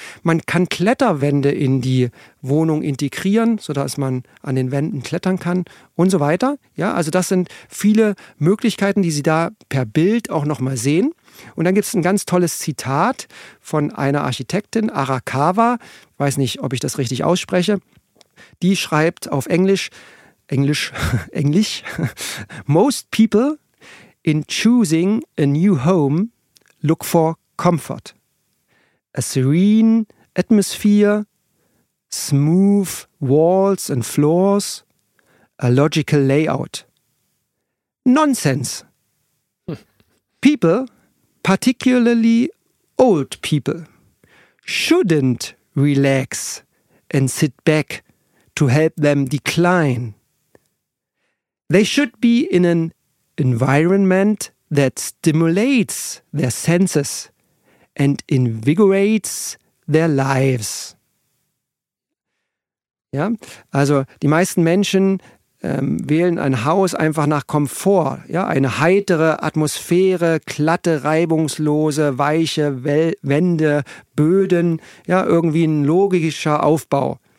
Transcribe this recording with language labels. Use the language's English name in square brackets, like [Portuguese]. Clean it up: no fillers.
[German] Man kann Kletterwände in die Wohnung integrieren, sodass man an den Wänden klettern kann und so weiter. Ja, also das sind viele Möglichkeiten, die Sie da per Bild auch nochmal sehen. Und dann gibt es ein ganz tolles Zitat von einer Architektin, Arakawa, weiß nicht, ob ich das richtig ausspreche, die schreibt auf Englisch: Englisch. [English] Most people in choosing a new home look for comfort. A serene atmosphere, smooth walls and floors, a logical layout. Nonsense. People, particularly old people, shouldn't relax and sit back to help them decline. They should be in an environment that stimulates their senses and invigorates their lives. [German] Ja, also die meisten Menschen wählen ein Haus einfach nach Komfort. Ja, eine heitere Atmosphäre, glatte, reibungslose, weiche Wände, Böden, ja, irgendwie ein logischer Aufbau.